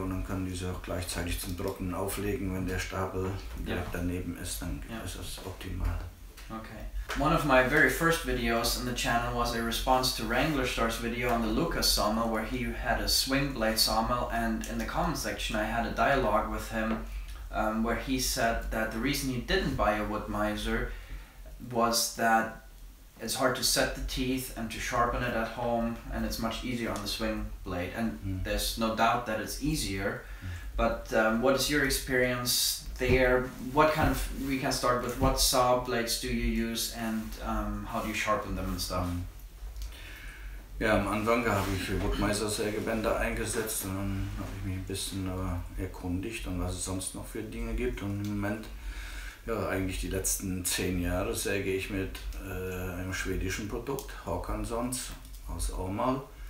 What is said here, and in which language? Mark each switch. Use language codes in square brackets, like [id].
[de] Und dann können diese auch gleichzeitig zum Trocknen auflegen, wenn der Stapel direkt daneben ist. Dann ist das optimal. [en] Okay. One of my very first videos on the channel was a response to Wrangler Star's video on the Lucas sawmill, where he had a swing blade sawmill. And in the comment section I had a dialogue with him, where he said that the reason he didn't buy a wood miser was that it's hard to set the teeth and to sharpen it at home, and it's much easier on the swing blade. And there's no doubt that it's easier, but what is your experience there? What kind of, we can start with, what saw blades do you use and how do you sharpen them and stuff? [de] Ja, am Anfang habe ich für Woodmeister-Sägebänder eingesetzt und dann habe ich mich ein bisschen erkundigt, und was es sonst noch für Dinge gibt. Und im Moment, eigentlich die letzten 10 Jahre säge ich mit einem schwedischen Produkt, Håkanssons aus Åmål.